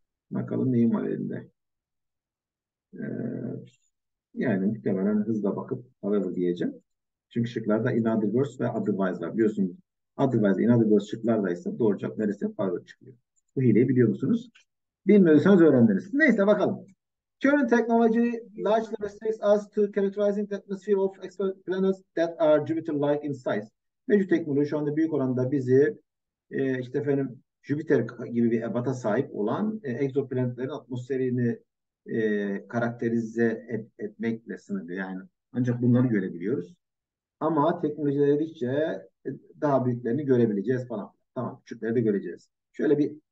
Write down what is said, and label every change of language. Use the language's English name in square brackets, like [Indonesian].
[Turkish] Bakalım neyim var elinde. Yani muhtemelen hızla bakıp alalım diyeceğim. Çünkü şıklarda [English] in other words [Turkish] ve otherwise var. Biliyorsunuz otherwise, [English] in other words [Turkish] şıklardaysa doğru cevap neresi farklı çıkıyor. Bu hileyi biliyor musunuz? Bilmiyorsanız öğrendiniz. Neyse bakalım. [English] Current technology largely restricts us to characterizing the atmosphere of exoplanets that are Jupiter-like in size. [Turkish] Mevcut teknoloji şu anda büyük oranda bizi işte efendim Jüpiter gibi bir ebata sahip olan egzoplanetlerin atmosferini karakterize etmekle sınırlı. Yani ancak bunları görebiliyoruz. Ama teknolojileri ilerledikçe daha büyüklerini görebileceğiz falan. Tamam, küçükleri de göreceğiz. Şöyle bir